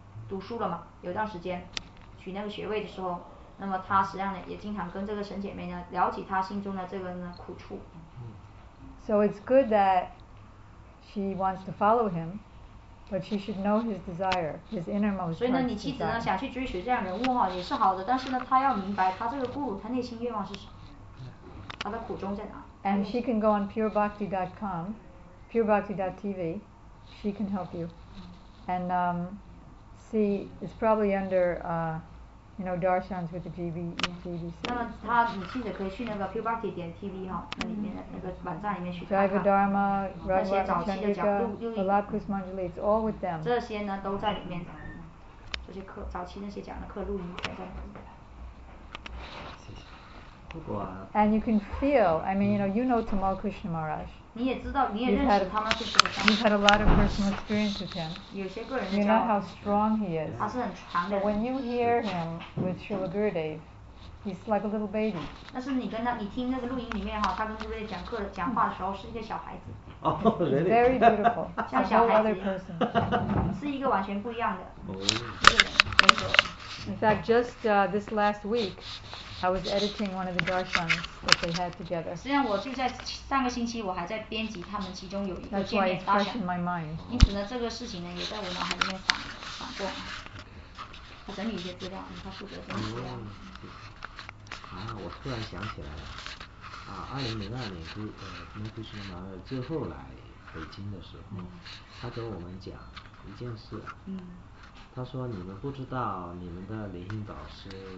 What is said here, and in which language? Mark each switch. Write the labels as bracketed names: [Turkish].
[Chinese] 读书了嘛，有段时间，取那个学位的时候，那么他实际上呢，也经常跟这个神姐妹呢，聊起他心中的这个呢苦处。 [English] So it's good that she wants to follow him, but she should know his desire, his innermost. [Chinese] 所以呢，你妻子呢想去追随这样人物哈，也是好的，但是呢，她要明白她这个guru，她内心愿望是什么，她的苦衷在哪。 [English] And she can go on purebhakti.com, purebhakti.tv, she can help you, and. See, it's probably under, you know, Darshan's with the GBC. [Chinese] 那么他你妻子可以去那个 purebhakti.tv 哈，那里面的那个网站里面去看看。 [English] Jiva Dharma, Raghavartma Chandrika, Vilapkusamanjali, it's all with them. [Chinese] 这些呢都在里面，这些课早期那些讲的课录音全在里面。谢谢。 [English] And you can feel, I mean, you know Tamal Krishna Maharaj. [Chinese] 你也知道，你也认识他们是什么。 [English] You've had a lot of personal experience with him. [Chinese] 有些个人。 [English] You know how strong he is. [Chinese] 他是很强的。 [English] When you hear him with Srila Gurudev, He's like a little baby. [Chinese] 那是你跟他，你听那个录音里面哈，他跟瑞瑞讲课讲话的时候是一个小孩子。 [English] Oh, really? Very beautiful. [Chinese] 像小孩子。 [English] No other person. [Chinese] 是一个完全不一样的。 Oh. [English] In fact, just this last week, I was editing one of the darshans that they had together. [Chinese] 实际上我就在上个星期，我还在编辑他们其中有一个见面 [English] That's why it's fresh in my mind. [Chinese] 因此呢，这个事情呢也在我脑海里面反过。他整理一些资料，他负责整理资料。嗯啊，我突然想起来了，啊，2002年就蒙古学完了之后来北京的时候，他跟我们讲一件事，他说你们不知道你们的灵性导师